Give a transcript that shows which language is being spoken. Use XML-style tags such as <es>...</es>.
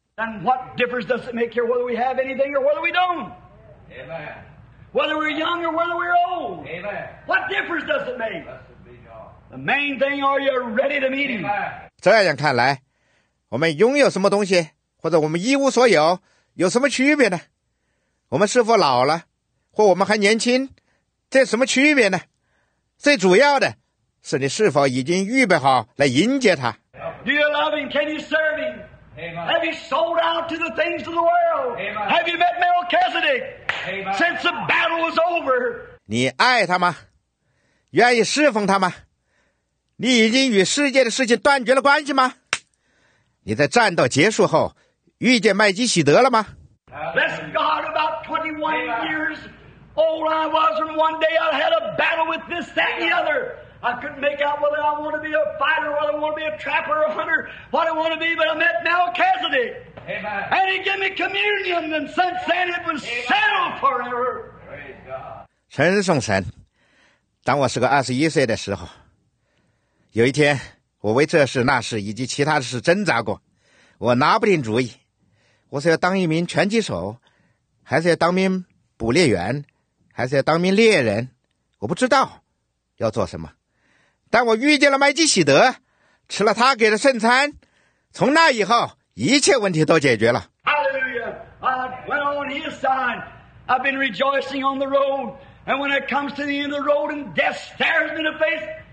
<en>And what difference does it make here whether we have anything or whether we don't? Amen. Whether we're young or whether we're old? Amen. What difference does it make? The main thing, are you ready to meet him?</en> <zh>这样看来，我们拥有什么东西，或者我们一无所有，有什么区别呢？我们是否老了，或我们还年轻，这有什么区别呢？最主要的是你是否已经预备好来迎接他。</zh> <en>Do you love him? Can you serve him? Amen. Have you sold out to the things of the world? Amen. Have you met Melchizedek? Amen. Since the battle was over.</en> <zh>你爱他吗？愿意侍奉他吗？你已经与世界的事情断绝了关系吗？你在战斗结束后遇见麦基洗德了吗？</zh> <en>Bless God, about 21 years old I was, and one day I had a battle with this, that, and the other. I couldn't make out whether I want to be a fighter, whether I want to be a trapper or a hunter, what I want to be, but I met Melchizedek. Amen. And he gave me communion, and since then it was settled forever. Praise God.</en> <zh>称颂神。当我是个21岁的时候，有一天我为这事那事以及其他的事挣扎过，我拿不定主意，我是要当一名拳击手，还是要当名捕猎员，还是要当名猎人，我不知道要做什么。但我遇见了麦基洗德，吃了他给的圣餐，从那以后一切问题都解决了。</zh> <en>Hallelujah. I went on his side. I've been rejoicing on the road, and when it comes to the end of the road and death stares me in the face,</en>